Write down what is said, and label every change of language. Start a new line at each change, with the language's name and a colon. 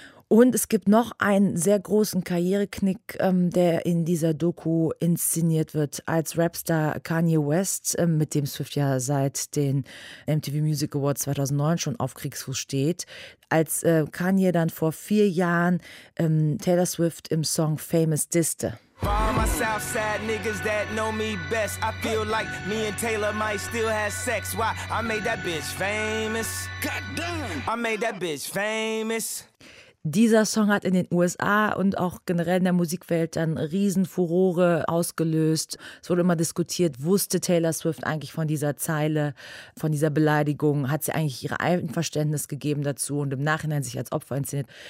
German: Und es gibt noch einen sehr großen Karriereknick, der in dieser Doku inszeniert wird. Als Rapstar Kanye West, mit dem Swift ja seit den MTV Music Awards 2009 schon auf Kriegsfuß steht, als Kanye dann vor 4 Jahren Taylor Swift im Song Famous disste.
English: By myself, sad niggas that know me best. I feel like me and Taylor might still have sex. Why? I made that bitch famous. Goddamn! I made that bitch famous.
German: Dieser Song hat in den USA und auch generell in der Musikwelt dann Riesenfurore ausgelöst. Es wurde immer diskutiert, wusste Taylor Swift eigentlich von dieser Zeile, von dieser Beleidigung? Hat sie eigentlich ihr Einverständnis gegeben dazu und im Nachhinein sich als Opfer inszeniert?